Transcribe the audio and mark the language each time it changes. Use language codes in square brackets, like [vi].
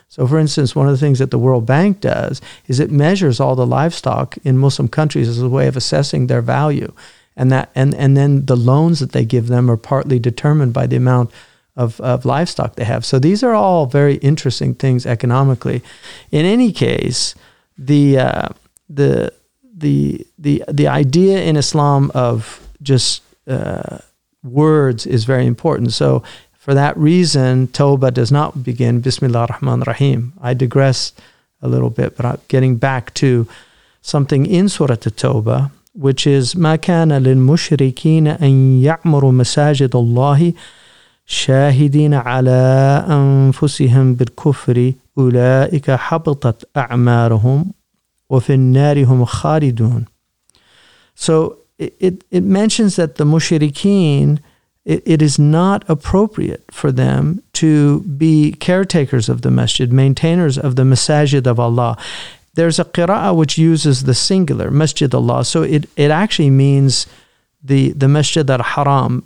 [en] So, for instance, one of the things that the World Bank does is it measures all the livestock in Muslim countries as a way of assessing their value, and then the loans that they give them are partly determined by the amount of livestock they have. So these are all very interesting things economically. In any case, the the idea in Islam of just words is very important. So for that reason, Tawbah does not begin Bismillah ar-Rahman ar-Rahim. I digress a little bit, but I'm getting back to something in Surah At-Tawbah, which is [ar] ما كان للمشركين أن يعمروا مساجد الله شاهدين على أنفسهم بالكفر أولئك حبطت أعمارهم وفي النار هم خالدون. [en] So it mentions that the mushrikeen, it is not appropriate for them to be caretakers of the masjid, maintainers of the masajid of Allah. There's a qira'ah which uses the singular, masjid Allah. So it actually means the masjid al-haram.